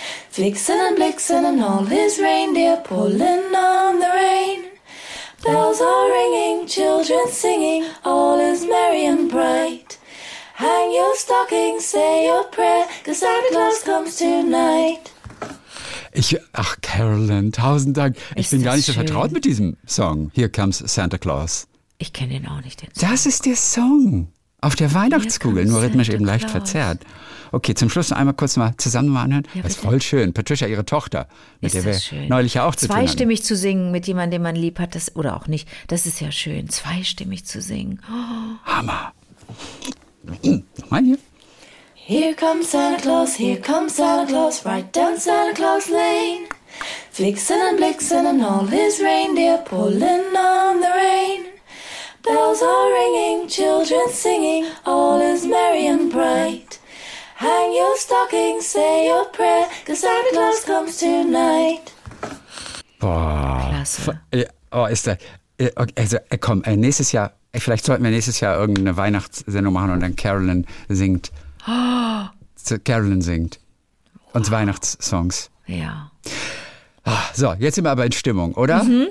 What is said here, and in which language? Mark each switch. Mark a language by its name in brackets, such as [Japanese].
[English] Flixen and Blixen and all his reindeer pulling on the rain. Bells are ringing, children singing, all is merry and bright. Hang your stocking, say your prayer, 'cause Santa Claus comes tonight. [German] Ach, Carolyn, tausend Dank. Ich bin gar nicht so vertraut mit diesem Song. [English] Here comes Santa Claus. [German] Ich kenne ihn auch nicht, den Song. Das ist der Song. Auf der Weihnachtskugel, nur rhythmisch eben leicht verzerrt. Okay, zum Schluss noch einmal kurz mal zusammen mal anhören. Ja, das ist voll schön. Patricia, ihre Tochter, mit ist wir neulich ja auch zu tun haben. Zweistimmig zu singen mit jemandem, den man lieb hat, das, oder auch nicht, das ist ja schön. Zweistimmig zu singen. Oh. Hammer. Nochmal hier. [English] Here comes Santa Claus, here comes Santa Claus, right down Santa Claus Lane. Flixen and Blixen and all his reindeer pulling on the rain. Bells are ringing, children singing, all is merry and bright. Hang your stocking, say your prayer, 'cause Santa Claus comes tonight. [German] Boah. Klasse. Oh, ist der. Also, komm, nächstes Jahr, vielleicht sollten wir nächstes Jahr irgendeine Weihnachtssendung machen und dann Carolyn singt. Carolyn singt. Und wow. Weihnachtssongs. Ja. So, jetzt sind wir aber in Stimmung, oder? Mhm.